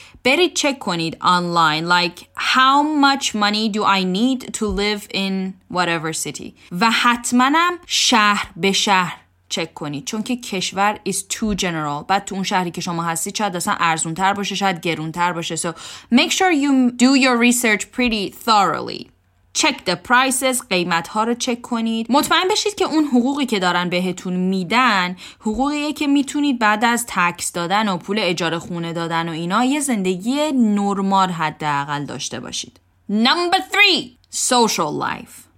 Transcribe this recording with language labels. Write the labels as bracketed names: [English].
[Persian] برید چک کنید آنلاین، [English] like how much money do I need to live in whatever city. [Persian] و حتماًم شهر به شهر چک کنید، چون که کشور [English] is too general. [Persian] بعد تو اون شهری که شما هستی شاید اصلا ارزون تر باشه، شاید گرون تر باشه. [English] So make sure you do your research pretty thoroughly. Check the prices، [Persian] قیمت ها رو چک کنید. مطمئن بشید که اون حقوقی که دارن بهتون میدن حقوقیه که میتونید بعد از تکس دادن و پول اجاره خونه دادن و اینا یه زندگی نرمال حداقل داشته باشید. [English] Number 3، social life.